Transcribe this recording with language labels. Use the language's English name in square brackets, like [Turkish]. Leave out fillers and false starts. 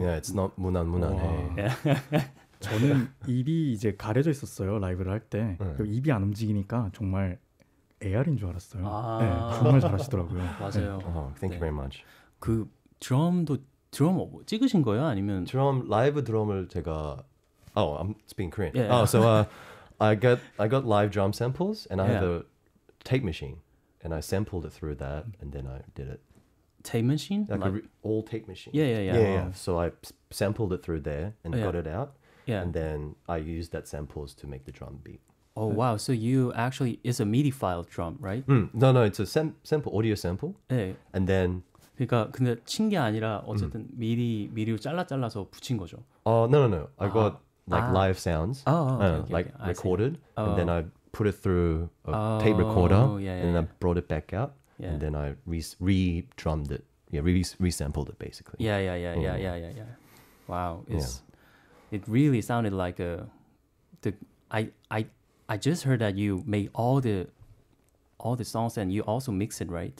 [English] Yeah, it's not 무난 무난. Wow. Hey. [Korean] 저는 입이 이제 가려져 있었어요. 라이브를 할 때. 입이 안 움직이니까 정말 AR인 줄 알았어요. 아~ 네, 정말 잘하시더라고요. 맞아요. 네. [English] Oh, thank you very much. [Korean] 그 드럼도 드럼 찍으신 거예요? 아니면 드럼 라이브 드럼을 제가 [English] Oh, I'm speaking Korean. Yeah. Oh, so I got live drum samples and I have a tape machine and I sampled it through that and then I did it. Tape machine? All tape machine. Yeah. So I sampled it through there and got it out. Yeah. And then I used that samples to make the drum beat. Oh, wow. So you actually, it's a MIDI file drum, right? Mm. No, no, it's a sample, audio sample. Yeah. And then... [Korean] 그러니까 근데 친 게 아니라 어쨌든 MIDI로 잘라서 붙인 거죠. [English] No. I got live sounds. Okay. Recorded. And then I put it through a tape recorder. And then I brought it back out. Yeah. And then I re-drummed it. Resampled it, basically. Yeah. Wow. It really sounded like I just heard that you made all the songs and you also mix it, right?